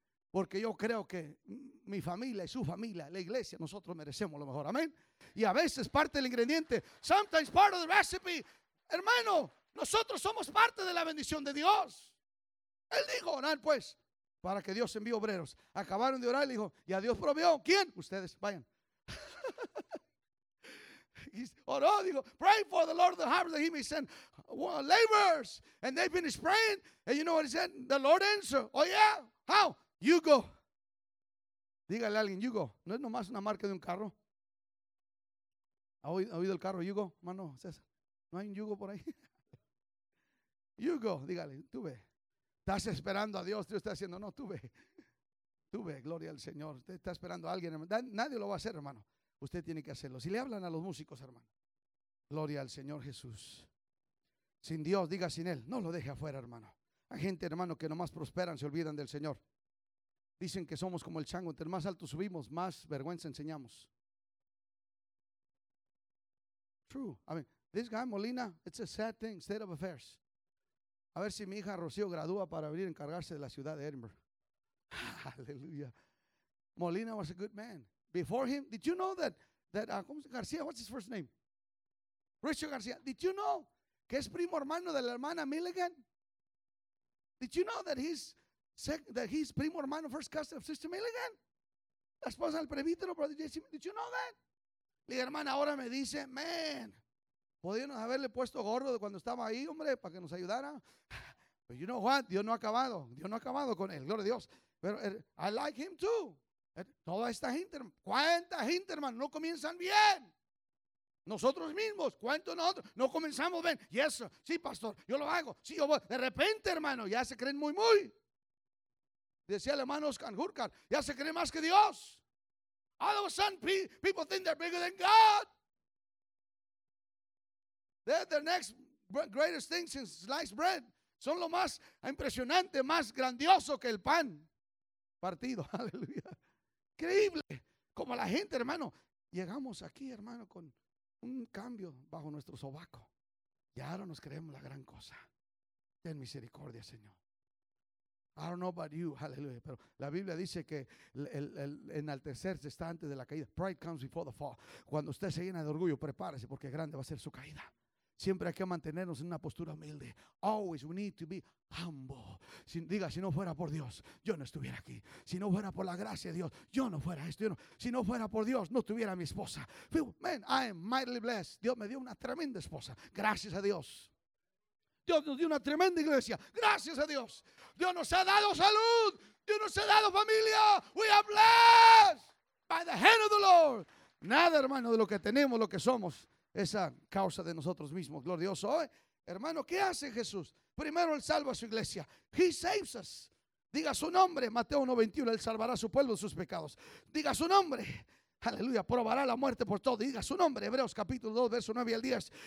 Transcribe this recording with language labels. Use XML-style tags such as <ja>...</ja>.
<es>Porque yo creo que mi familia y su familia, la iglesia, nosotros merecemos lo mejor. Amén. Y a veces parte del ingrediente.</es> <en>Sometimes part of the recipe.</en> <es>Hermano. Nosotros somos parte de la bendición de Dios. Él dijo, orar pues, para que Dios envíe obreros. Acabaron de orar y dijo, y a Dios proveó. ¿Quién? Ustedes, vayan. Oró, dijo,</es> <en>pray for the Lord of the harvest that he may send laborers. And they've been praying. And you know what he said? The Lord answered. Oh, yeah. How? You go.</en> <es>Dígale a alguien,</es> <en>you go.</en> <es>No es nomás una marca de un carro. ¿Ha oído el carro?</es> <en>You go,</en> <es>hermano César. No hay un yugo por ahí. You go, dígale, tú ve. Estás esperando a Dios. Dios está diciendo, no, tú ve, gloria al Señor. Usted está esperando a alguien. Nadie lo va a hacer, hermano. Usted tiene que hacerlo. Si le hablan a los músicos, hermano. Gloria al Señor Jesús. Sin Dios, diga sin Él. No lo deje afuera, hermano. Hay gente, hermano, que nomás prosperan, se olvidan del Señor. Dicen que somos como el chango. Entre más alto subimos, más vergüenza enseñamos.</es> <en>True. I mean, this guy, Molina, it's a sad thing, state of affairs.</en> <es>A ver si mi hija Rocío gradúa para venir a encargarse de la ciudad de Edinburgh.</es> <en>Hallelujah. Molina was a good man. Before him, did you know that García, what's his first name? Richard García. Did you know</en> <es>que es primo hermano de la hermana Milligan?</es> <en>Did you know that he's primo hermano, first cousin of Sister Milligan?</en> <es>La esposa del prebítero,</es> <en>brother Jesse. Did you know that?</en> <es>La hermana ahora me dice, man, podríamos haberle puesto gorro de cuando estaba ahí, hombre, para que nos ayudara.</es> <en>But you know what?</en> <es>Dios no ha acabado con él. Gloria a Dios. Pero</es> <en>I like him too.</en> <es>Toda esta gente, ¿cuánta gente, hermano? No comienzan bien. Nosotros mismos, ¿cuántos nosotros? No comenzamos bien.</es> <en>Yes, sir.</en> <es>Sí, pastor, yo lo hago. Sí, yo voy. De repente, hermano, ya se creen muy, muy. Decía el hermano Oscar Hurkar, ya se creen más que Dios.</es> <en>All of a sudden, people think they're bigger than God. They're the next greatest thing since sliced bread.</en> <es>Son lo más impresionante, más grandioso que el pan partido. Aleluya. Increíble. Como la gente, hermano. Llegamos aquí, hermano, con un cambio bajo nuestro sobaco. Y ahora nos creemos la gran cosa. Ten misericordia, Señor.</es> <en>I don't know about you,</en> <es>hallelujah, pero la Biblia dice que el enaltecerse está antes de la caída.</es> <en>Pride comes before the fall.</en> <es>Cuando usted se llena de orgullo, prepárese porque grande va a ser su caída. Siempre hay que mantenernos en una postura humilde.</es> <en>Always we need to be humble.</en> <es>Si no fuera por Dios, yo no estuviera aquí. Si no fuera por la gracia de Dios, yo no fuera esto. Yo no. Si no fuera por Dios, no tuviera mi esposa.</es> <en>Man, I am mightily blessed.</en> <es>Dios me dio una tremenda esposa. Gracias a Dios. Dios nos dio una tremenda iglesia. Gracias a Dios. Dios nos ha dado salud. Dios nos ha dado familia.</es> <en>We are blessed by the hand of the Lord.</en> <es>Nada, hermano, de lo que tenemos, lo que somos, esa causa de nosotros mismos. Gloria a Dios. Hoy, hermano, ¿qué hace Jesús? Primero, Él salva a su iglesia.</es> <en>He saves us.</en> <es>Diga su nombre. Mateo 1:21. Él salvará a su pueblo de sus pecados. Diga su nombre. Aleluya, probará la muerte por todo. Diga su nombre, Hebreos capítulo 2, verso 9 al 10.</es>